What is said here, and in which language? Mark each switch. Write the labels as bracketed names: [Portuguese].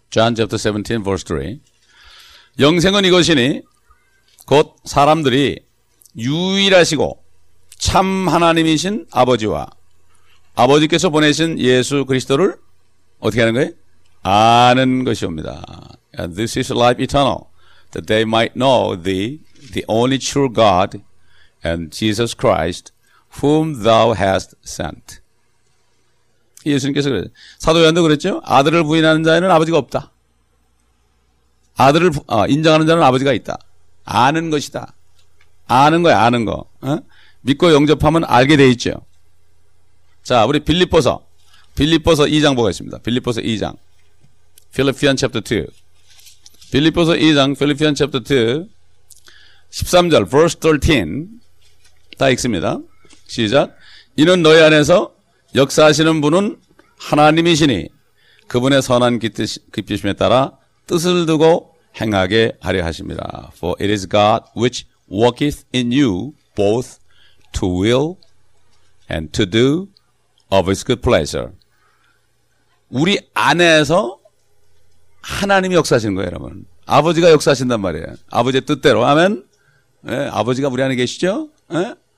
[English] John chapter 17 verse 3. [Korean] 영생은 이것이니 곧 사람들이 유일하시고 참 하나님이신 아버지와 아버지께서 보내신 예수 그리스도를 어떻게 하는 거예요? 아는 것이옵니다. [English] And this is life eternal, that they might know the only true God and Jesus Christ whom thou hast sent. [Korean] 예수님께서 그랬죠. 사도요한도 그랬죠. 아들을 부인하는 자에는 아버지가 없다. 아들을 인정하는 자는 아버지가 있다. 아는 것이다. 아는 거야. 아는 거. 믿고 영접하면 알게 돼 있죠. 자, 우리 빌립보서 2장 보겠습니다. 빌립보서 2장. [English] Philippians chapter 2. [Korean] 빌립보서 2장, [English] Philippians chapter 2. [Korean] 13절, [English] verse 13. [Korean] 다 읽습니다. 시작. 이는 너희 안에서 역사하시는 분은 하나님이시니 그분의 선한 깊이심에 따라 뜻을 두고 행하게 하려 하십니다. [English] For it is God which worketh in you both to will and to do of his good pleasure. [Korean] 우리 안에서 하나님이 역사하시는 거예요, 여러분. 아버지가 역사하신단 말이에요. 아버지의 뜻대로. 아멘. 예, 아버지가 우리 안에 계시죠? 예?